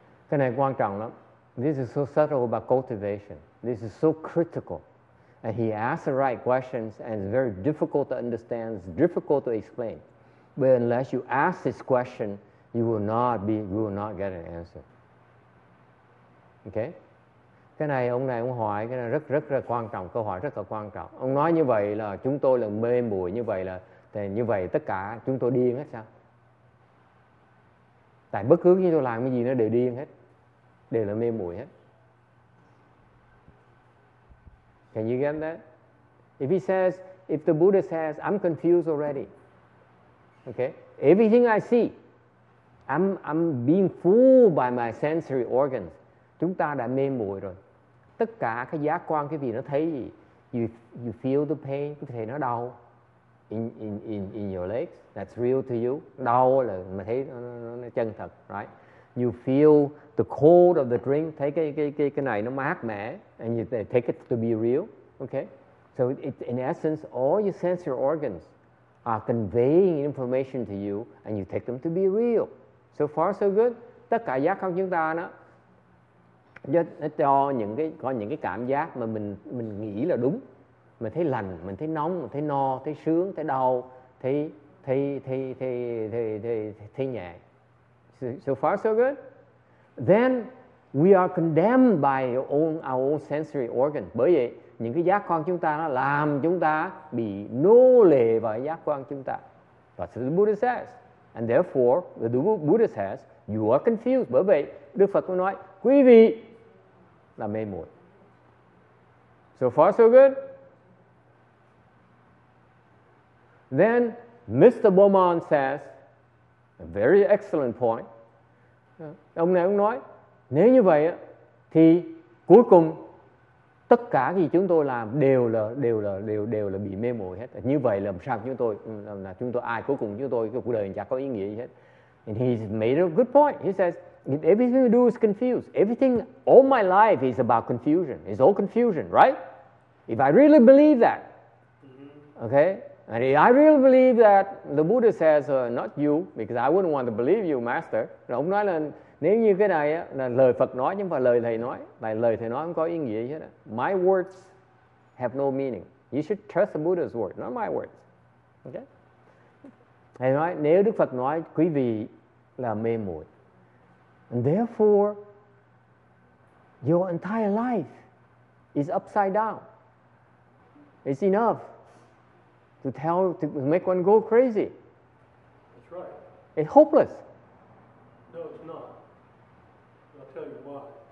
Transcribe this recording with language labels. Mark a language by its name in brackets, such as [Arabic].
[Vietnamese] Cái này quan trọng lắm. [English] This is so subtle about cultivation. This is so critical. And he asks the right questions, and it's very difficult to understand, it's difficult to explain. But unless you ask this question, you will not get an answer. Okay? [Vietnamese] Cái này ông này ông hỏi, cái này rất là quan trọng, câu hỏi rất là quan trọng. Ông nói như vậy là chúng tôi là mê muội như vậy là, thì như vậy tất cả chúng tôi điên hết sao? Tại bất cứ như tôi làm cái gì nó đều điên hết, đều là mê muội hết. [English] Can you get that? If he says, if the Buddha says, I'm confused already. Okay? Everything I see, I'm being fooled by my sensory organs. [Vietnamese] Chúng ta đã mê muội rồi. Tất cả cái giác quan, cái gì nó thấy gì, [English] you feel the pain, [Vietnamese] có thể nó đau [English] in your legs, that's real to you. [Vietnamese] Đau là mà thấy nó chân thật, right? [English] You feel the cold of the drink, [Vietnamese] thấy cái này nó mát mẻ, [English] and you take it to be real, okay? So it, in essence, all your sensory organs are conveying information to you, and you take them to be real. So far, so good. [Vietnamese] Tất cả giác quan chúng ta nó cho những cái, có những cái cảm giác mà mình nghĩ là đúng, mình thấy lành, mình thấy nóng, mình thấy no, thấy sướng, thấy đau, thấy nhẹ. [English] So far so good. Then we are condemned by our own sensory organ. [Vietnamese] Bởi vậy những cái giác quan chúng ta nó làm chúng ta bị nô lệ vào giác quan chúng ta. [English] That's what the Buddha says. And therefore the Buddha says you are confused. [Vietnamese] Bởi vậy Đức Phật cũng nói quý vị là mê muội. [English] So far so good. Then Mr. Beaumont says a very excellent point. [Vietnamese] Ông này ông nói nếu như vậy thì cuối cùng tất cả gì chúng tôi làm đều là bị mê muội hết. Như vậy làm sao chúng tôi ai cuối cùng chúng tôi cuộc đời chả có ý nghĩa gì hết. [English] And he's made a good point. He says if everything we do is confused. Everything, all my life is about confusion. It's all confusion, right? If I really believe that, okay? And if I really believe that, the Buddha says, not you, because I wouldn't want to believe you, Master. [Vietnamese] Ông nói là, nếu như cái này là lời Phật nói, nhưng mà lời Thầy nói, tại lời Thầy nói không có ý nghĩa gì hết. [English] My words have no meaning. You should trust the Buddha's word, not my words. Okay? [Vietnamese] Thầy nói, nếu Đức Phật nói, quý vị là mê muội. [English] And therefore, your entire life is upside down. It's enough to tell, to make one go crazy. That's right. It's hopeless. No, it's not. I'll tell you why.